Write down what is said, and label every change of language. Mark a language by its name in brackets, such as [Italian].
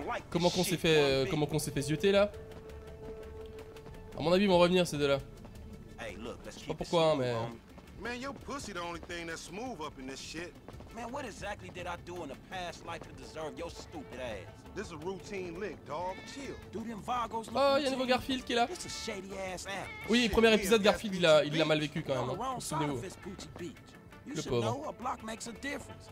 [French] Comment qu'on s'est fait zioter là? A mon avis, ils vont revenir ces deux là. Je sais pas pourquoi, mais. [English] Man, your pussy the only thing that's smooth up in this shit. Man, what exactly did I do in a past life to deserve your stupid ass? This is a routine lick, dog. Chill. Do them Vagos look. [French] Oh, y'a un nouveau Garfield qui est là. [English] This is shady ass app. [French] Oui, premier épisode, Garfield, il l'a mal vécu quand même. Hein. Souvenez-vous. [English] You should know a block makes a difference.